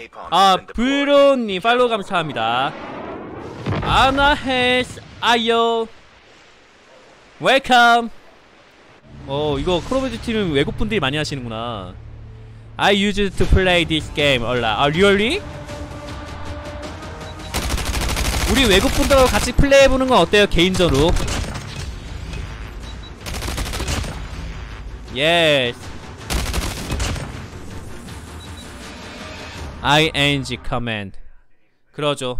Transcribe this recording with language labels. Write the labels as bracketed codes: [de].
[ko] 아, 브로님 팔로우 감사합니다. 아나헬스 아요. [en] Welcome. [ko] 오, 이거 크로베드 팀은 외국 분들이 많이 하시는구나. [en] I used to play this game a lot. [ko] 아, [en] really? [ko] 우리 외국 분들하고 같이 플레이해 보는 건 어때요? 개인적으로. 예스. [en] ING command. [ko] 그러죠.